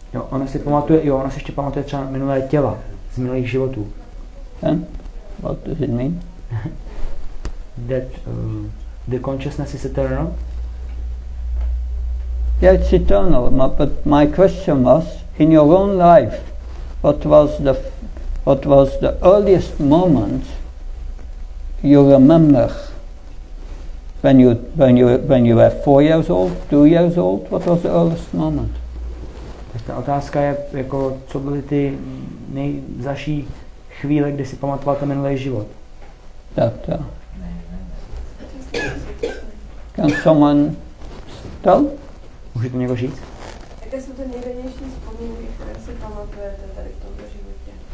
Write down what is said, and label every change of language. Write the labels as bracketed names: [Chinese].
[Czech] Ona si ještě pamatuje třeba minulé těla z minulých životů. [English] And what does it mean? That the consciousness is eternal? Yeah, it's eternal, but my question was, in your own life, what was the earliest moment you remember? When you were 4 years old, 2 years old, what was the earliest moment? [Czech] Ta otázka je jako, co byly ty nejzaší chvíle, kdy si pamatoval ten minulý život? Tak. [English] Can someone tell? [Czech] Může to někdo říct? Jaké jsou ty nejvědější vzpomínky, které si pamatujete tady v tomto životě?